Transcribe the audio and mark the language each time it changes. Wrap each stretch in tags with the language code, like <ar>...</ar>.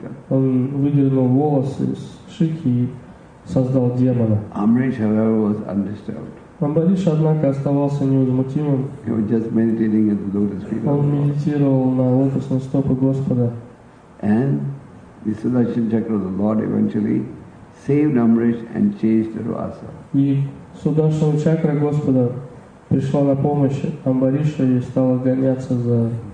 <ru>Он выдернул волос из шики и создал демона.</ru> <en>Amrish, however, was undisturbed.</en> <ru>Амбариша, однако, оставался невозмутимым.</ru> <en>He was just meditating at the lotus feet of</en> <ru>Он медитировал на лотосные стопы Господа.</ru> <en>And the Sudarshan Chakra of the Lord eventually saved Amrish and changed Rasa.</en> <ru>И Sudarshan Chakra Господа пришла на помощь Амбариша и стала гоняться за</ru>